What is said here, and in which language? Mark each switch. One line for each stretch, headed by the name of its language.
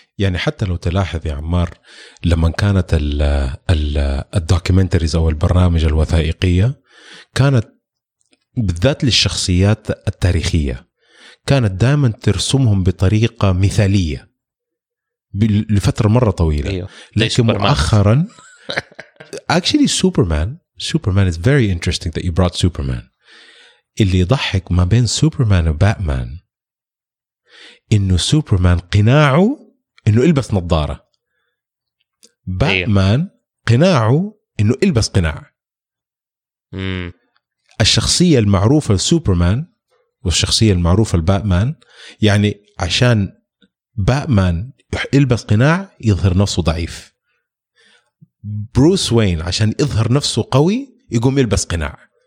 Arabic: يعني حتى لو تلاحظ يا عمار لما كانت الدوكيومنتريز أو البرامج الوثائقية كانت بالذات للشخصيات التاريخية كانت دائما ترسمهم بطريقة مثالية لفترة مرة طويلة. لكن مؤخرا
English: actually Superman is very interesting that you brought Superman.
Arabic: اللي يضحك ما بين Superman وBatman إنه Superman قناعه إنه يلبس نظارة, Batman قناعه إنه يلبس قناع. الشخصية المعروفة Superman والشخصية المعروفة Batman, يعني عشان Batman يلبس قناع يظهر نفسه ضعيف, بروس وين عشان يظهر نفسه قوي يقوم يلبس قناع.